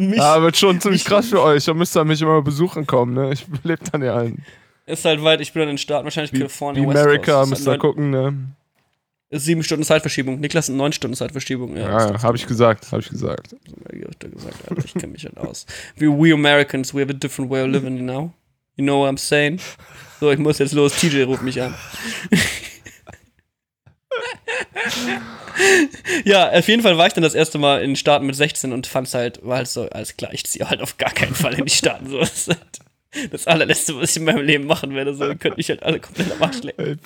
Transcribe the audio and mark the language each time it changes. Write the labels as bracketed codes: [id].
[de] wird schon ziemlich krass für euch. Da müsst ihr mich immer besuchen kommen, ne? Ich lebe dann ja in Ist halt weit, ich bin dann in den Staaten, wahrscheinlich Kalifornien, West Coast. America, müsst ihr gucken, ne? Ist 7 Stunden Zeitverschiebung. Niklas, 9 Stunden Zeitverschiebung. Ja, hab ich gesagt. Alter, ich kenne mich halt aus. [en] We Americans, we have a different way of living, you know? You know what I'm saying? [de] So, ich muss jetzt los, TJ ruft mich an. Ja, auf jeden Fall war ich dann das erste Mal in den Staaten mit 16 und fand's halt, war halt so, alles klar, ich ziehe halt auf gar keinen Fall in die Staaten. So, das allerletzte, was ich in meinem Leben machen werde, so, könnte mich halt alle komplett am Arsch legen.